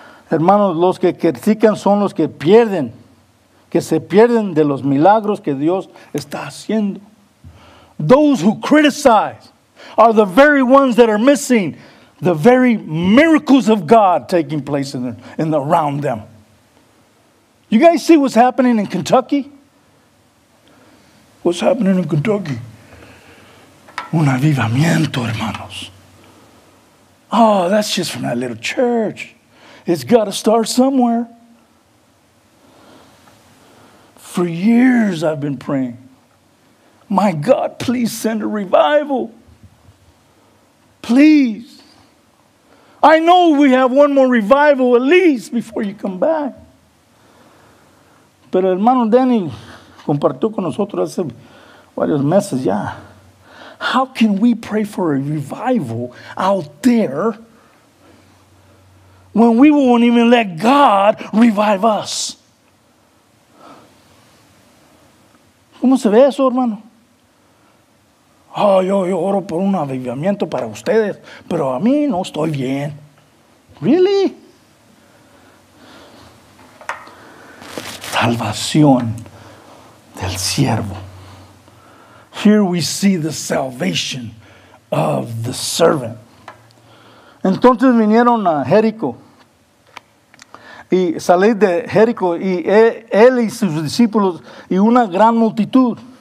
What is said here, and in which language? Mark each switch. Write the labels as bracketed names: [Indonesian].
[Spanish] Hermanos, los que critican son los que pierden, que se pierden de los milagros que Dios está haciendo. [English] Those who criticize are the very ones that are missing the very miracles of God taking place around them. You guys see what's happening in Kentucky? What's happening in Kentucky? [Spanish] Un avivamiento, hermanos. [English] Oh, that's just from that little church. It's got to start somewhere. For years I've been praying. My God, please send a revival. Please. I know we have one more revival at least before you come back. [Spanish] Pero hermano Danny compartió con nosotros hace varios meses ya. [English] How can we pray for a revival out there when we won't even let God revive us? [Spanish] ¿Cómo se ve eso, hermano? Oh, yo oro por un avivamiento para ustedes, pero a mí no estoy bien. [English] Really? [Spanish] Salvación del siervo. [English] Here we see the salvation of the servant. [Spanish] Entonces vinieron a Jericó. Y salí de Jericó y él y sus discípulos y una gran multitud.